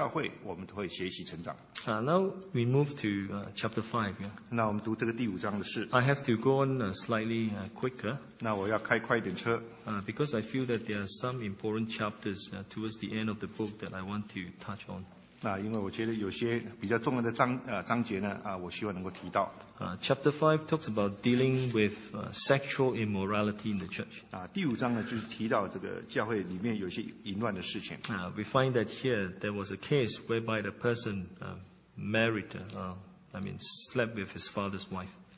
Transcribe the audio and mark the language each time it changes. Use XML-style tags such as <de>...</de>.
<zh>所以呢，从我们的工作，从这个神，还有从教会，我们都会学习成长。</zh> <en>Now we move to chapter 5. Yeah?</en> <zh>那我们读这个第五章的事。</zh> <en>I have to go on slightly quicker.</en> <zh>那我要开快一点车。</zh> <en>Because I feel that there are some important chapters towards the end of the book that I want to touch on.</en> <zh>因为我觉得有些比较重要的章节呢，我希望能够提到。</zh> <en>Chapter 5 talks about dealing with sexual immorality in the church.</en> <zh>第五章呢，就是提到这个教会里面有些淫乱的事情。</zh> <en>We find that here there was a case whereby the person married, slept with his father's wife.</en>